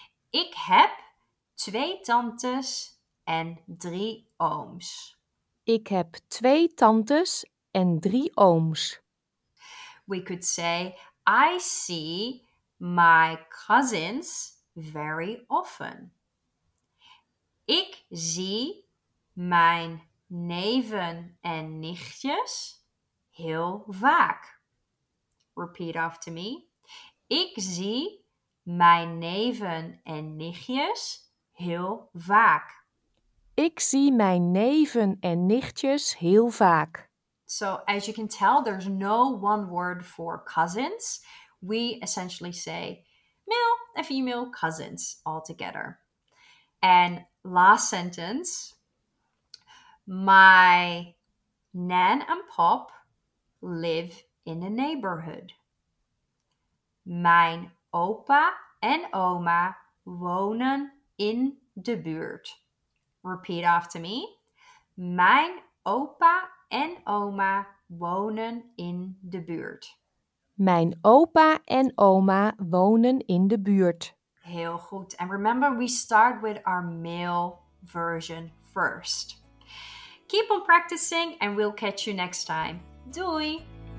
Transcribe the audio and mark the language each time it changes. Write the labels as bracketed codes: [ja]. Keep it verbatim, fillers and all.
[nl] Ik heb twee tantes en drie ooms. Ik heb twee tantes en drie ooms. [en] We could say, I see my cousins very often. [nl] Ik zie mijn neven en nichtjes heel vaak. [en] Repeat after me. [nl] Ik zie mijn neven en nichtjes heel vaak. Ik zie mijn neven en nichtjes heel vaak. [en] So as you can tell, there's no one word for cousins. We essentially say male and female cousins all together. And last sentence. My nan and pop live in the neighborhood. [nl] Mijn opa en oma wonen in de buurt. [en] Repeat after me. [nl] Mijn opa en oma wonen in de buurt. Mijn opa en oma wonen in de buurt. Heel goed. [en] And remember, we start with our male version first. Keep on practicing and we'll catch you next time. [nl] Doei!